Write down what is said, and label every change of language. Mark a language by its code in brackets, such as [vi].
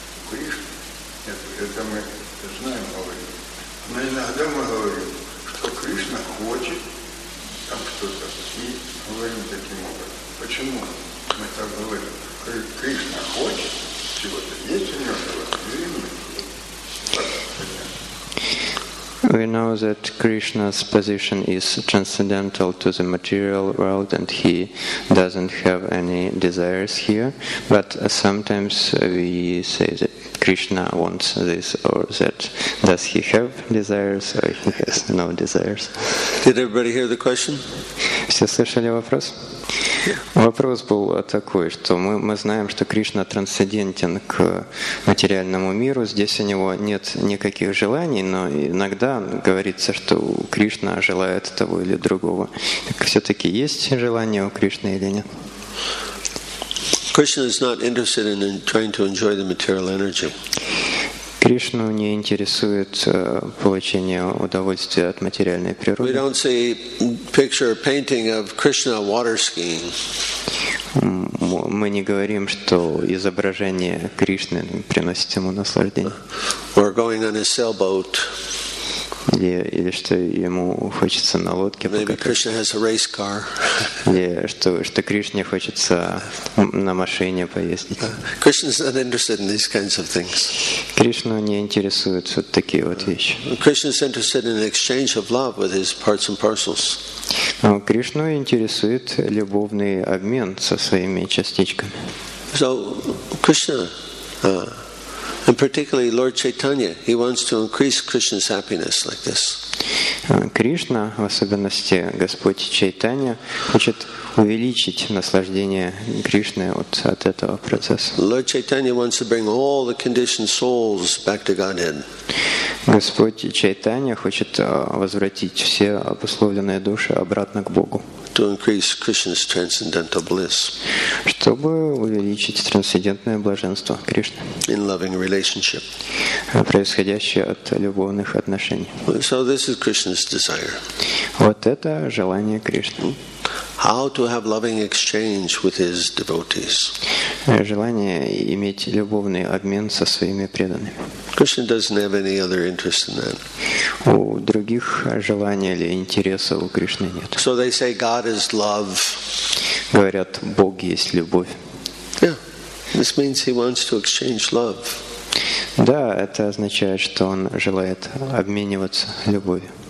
[ru] Кришна, это мы знаем, говорим. Но иногда мы говорим, что Кришна хочет там что-то, и говорим таким образом. Почему мы так говорим? Кришна хочет чего-то, есть у него что-то, или нет? [en] We know that Krishna's position is transcendental to the material world and he doesn't have any desires here, but sometimes we say that Krishna wants this or that. Does he have desires or he has no desires? Did everybody hear the question? [ru] Все слышали вопрос? Вопрос был такой, что мы знаем, что Кришна трансцендентен к материальному миру, здесь у него нет никаких желаний, но иногда говорится, что Кришна желает того или другого. Так все-таки есть желание у Кришны или нет? [en] Krishna is not interested in trying to enjoy the material energy. [ru] Кришну не интересует получение удовольствия от материальной природы. [en] We don't see picture or painting of Krishna water skiing. [ru] Мы не говорим, что изображение Кришны приносит ему наслаждение. [en] Or going on a sailboat. [ru] Или что ему хочется на лодке покататься. [en] Maybe Krishna has a race car. [ru] Что Кришне хочется на машине поездить. [en] Krishna's not interested in these kinds of things. [ru] Кришну не интересуют вот такие вот вещи. [en] Krishna's interested in exchange of love with his parts and parcels. [ru] Кришну интересует любовный обмен со своими частичками. [en] So Krishna, and particularly Lord Chaitanya, he wants to increase Krishna's happiness like this. [ru] Кришна, в особенности Господь Чайтанья, хочет увеличить наслаждение Кришны от этого процесса. [en] Lord Chaitanya wants to bring all the conditioned souls back to Godhead. [ru] Господь Чайтанья хочет возвратить все обусловленные души обратно к Богу. [en] To increase Krishna's transcendental bliss. [ru] Чтобы увеличить трансцендентное блаженство Кришны. [en] In loving relationship. [ru] Происходящее от любовных отношений. [en] So this is Krishna's desire. [ru] Вот это желание Кришны. [en] How to have loving exchange with his devotees. [ru] Желание иметь любовный обмен со своими преданными. [en] Krishna doesn't have any other interest in that. [ru] У других желаний или интересов у Кришны нет. [en] So they say God is love. [ru] Говорят, Бог есть любовь. [en] Yeah. This means he wants to exchange love. [ru] Да, это означает, что он желает обмениваться любовью.